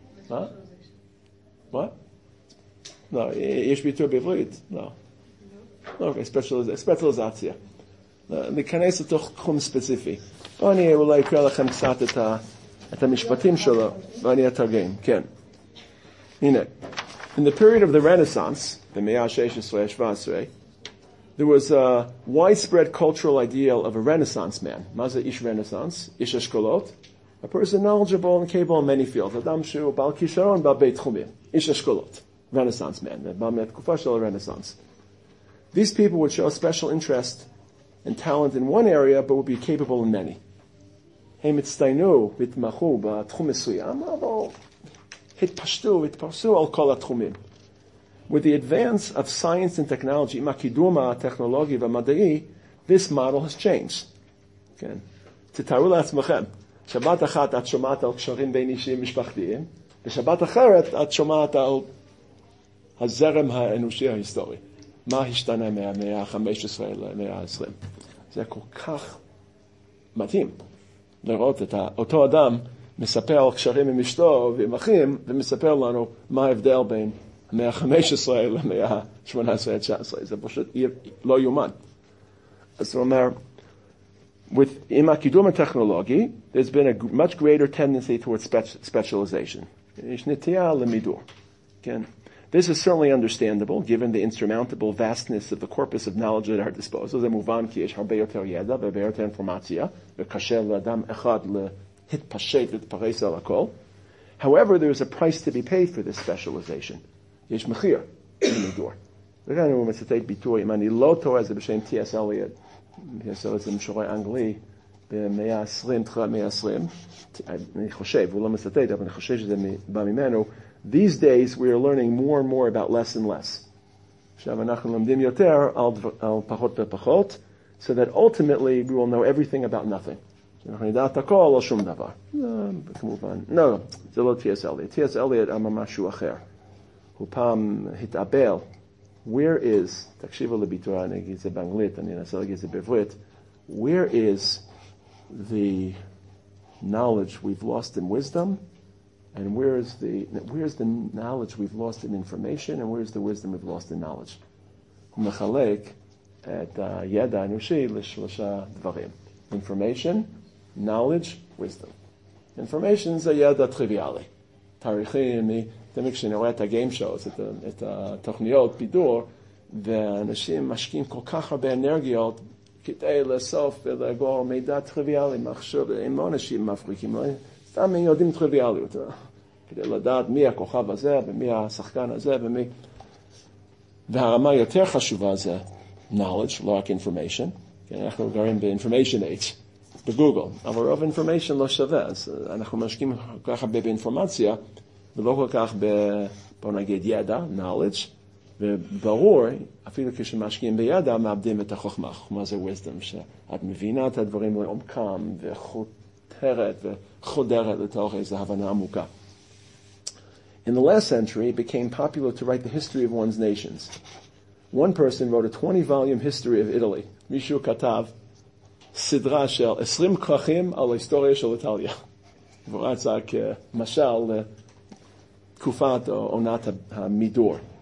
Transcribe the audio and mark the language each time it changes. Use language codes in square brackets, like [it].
[he] מה? מה? לא, יש ביטוי בעברית? לא. אוקיי, ספשליזציה. להיכנס לתוך תחום ספציפי. בואו אני אולי אקרא לכם קצת את המשפטים שלו, ואני אתרגם, כן. הנה. [en] In the period of the Renaissance, [he] במאה ה-16-17, [en] there was a widespread cultural ideal of a Renaissance man. [he] מה זה איש רנסנס? איש אשכולות? [en] A person knowledgeable and capable in many fields. [he] אדם שהוא בעל כישרון בהרבה תחומים. איש אשכולות. [en] Renaissance man. [he] בא מהתקופה של הרנסנס. [en] These people would show special interest and talent in one area, but would be capable in many. [he] הם הצטיינו והתמחו בתחום מסוים, אבל התפשטו והתפרסו על כל התחומים. [en] With the advance of science and technology, [he] עם הקידום הטכנולוגי והמדעי, [en] this model has changed. [he] כן. תתארו לעצמכם, שבת אחת את שומעת על קשרים בין אישיים משפחתיים, ושבת אחרת את שומעת על הזרם האנושי ההיסטורי. מה השתנה מהמאה ה-15 למאה ה-20? זה כל כך מתאים לראות את אותו אדם מספר על קשרים עם אשתו ועם אחים, ומספר לנו מה ההבדל בין המאה ה-15 למאה ה-18-19. זה פשוט לא יומן. אז הוא אומר, עם הקידום הטכנולוגי, [en] there's been a much greater tendency towards specialization. [he] יש נטייה למידור. כן? [en] This is certainly understandable, given the insurmountable vastness of the corpus of knowledge at our disposal. [he] זה מובן כי יש הרבה יותר ידע והרבה יותר אינפורמציה, וקשה לאדם אחד להתפשט ולהתפרס על הכל. [en] However, there is a price to be paid for this specialization. [he] יש מחיר למידור. וכאן הוא מצטט ביטוי, אם אני לא טועה, זה בשם T.S. Eliot, T.S. Eliot זה משורר אנגלי, במאה ה-20, תחילת מאה ה-20, אני חושב, הוא לא מצטט, אבל אני חושב שזה בא ממנו, [en] these days we are learning more and more about less and less. [he] עכשיו אנחנו לומדים יותר על פחות ופחות, [en] so that ultimately we will know everything about nothing. [he] אנחנו נדע את הכל על שום דבר. כמובן, לא, זה לא T.S. Eliot. T.S. Eliot אמר משהו אחר. הוא פעם התאבל, [en] where is, [he] תקשיבו לביטוי, אני אגיד זה באנגלית, אני אנסה להגיד זה בעברית, [en] where is the knowledge we've lost in wisdom, and where is the knowledge we've lost in information, and where is the wisdom we've lost in knowledge. [he] הוא מחלק את הידע האנושי לשלושה דברים, information, knowledge, wisdom. Information זה ידע טריוויאלי, תאריכים, תמיד כשאני רואה את הגיים שואוז, את התוכניות, בידור, ואנשים משקיעים כל כך הרבה אנרגיות כדי לאסוף ולאגור מידע טריוויאלי, מחשוב, עם אנשים מפריקים, סתם יודעים טריוויאליות, כדי לדעת מי הכוכב הזה ומי השחקן הזה ומי... והרמה יותר חשובה זה knowledge, לא רק information. אנחנו גרים ב-information age, בגוגל. אבל רוב information לא שווה, אז אנחנו משקיעים כל כך הרבה באינפורמציה, ולא כל כך ב... בוא נגיד ידע, knowledge, וברור, אפילו כשמשקיעים בידע, מאבדים את החוכמה. החוכמה זה wisdom, שאת מבינה את הדברים לעומקם וחותרת וחודרת לתוך איזו הבנה עמוקה. [en] In the last century, it became popular to write the history of one's nations. One person wrote a 20-volume history of Italy. [he] מישהו כתב סדרה של 20 כרכים על ההיסטוריה של איטליה. ורצה כמשל לתקופת עונת המידור.